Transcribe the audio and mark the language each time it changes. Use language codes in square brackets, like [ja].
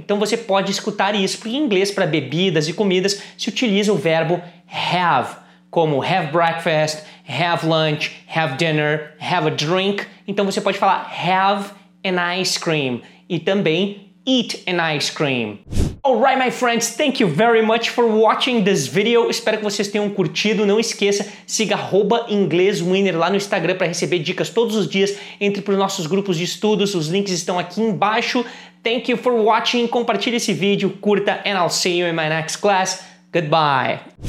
[pt] Então você pode escutar isso, porque em inglês para bebidas e comidas se utiliza o verbo have, como have breakfast, have lunch, have dinner, have a drink. Então você pode falar [en] have an ice cream [pt] e também [en] eat an ice cream. Alright, my friends, thank you very much for watching this video. [pt] Espero que vocês tenham curtido. Não esqueça, siga @inglêswinner lá no Instagram para receber dicas todos os dias. Entre para os nossos grupos de estudos, os links estão aqui embaixo. [en] Thank you for watching. [pt] Compartilhe esse vídeo, curta, [en] and I'll see you in my next class. Goodbye.